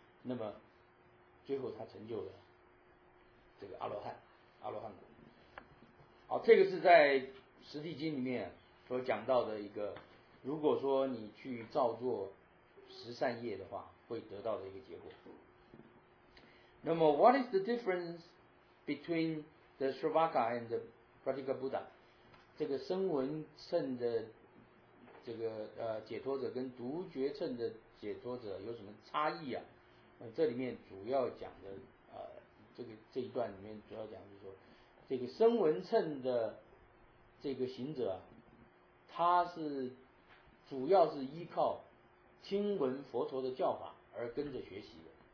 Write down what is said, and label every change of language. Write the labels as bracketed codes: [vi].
[zh] 那么最后他成就了这个阿罗汉果。好，这个是在十地经里面所讲到的一个，如果说你去造作十善业的话，会得到的一个结果。那么 [en] what is the difference between the Shravaka and the Pratipabuddha？ [zh] 这个声闻乘的这个解脱者跟独觉乘的解脱者有什么差异啊？这里面主要讲的这一段里面主要讲就是说，这个声闻乘的这个行者，他是主要是依靠听闻佛陀的教法而跟着学习的。